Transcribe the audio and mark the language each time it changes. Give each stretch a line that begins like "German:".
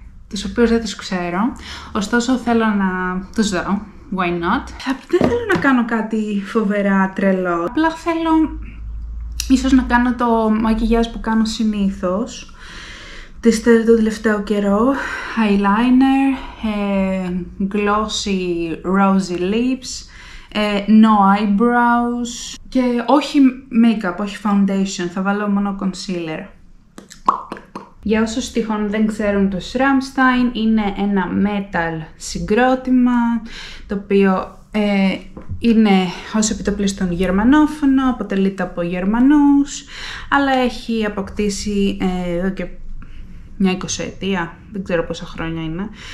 Greek: Τους οποίους δεν τους ξέρω. Ωστόσο θέλω να τους δω.
English: Why not?
Greek: Δεν θέλω να κάνω κάτι φοβερά τρελό. Απλά θέλω ίσως να κάνω το μακιγιάζ που κάνω συνήθως το τελευταίο καιρό.
English: Eyeliner, glossy rosy lips, no eyebrows
Greek: και όχι
English: makeup, όχι foundation.
Greek: Θα βάλω μόνο concealer. Για όσους τυχόν δεν ξέρουν τους Rammstein, είναι ένα metal συγκρότημα το οποίο είναι ως επιτοπλίστων γερμανόφωνο, αποτελείται από Γερμανούς, αλλά έχει αποκτήσει εδώ και μια 20ετία, δεν ξέρω πόσα χρόνια είναι.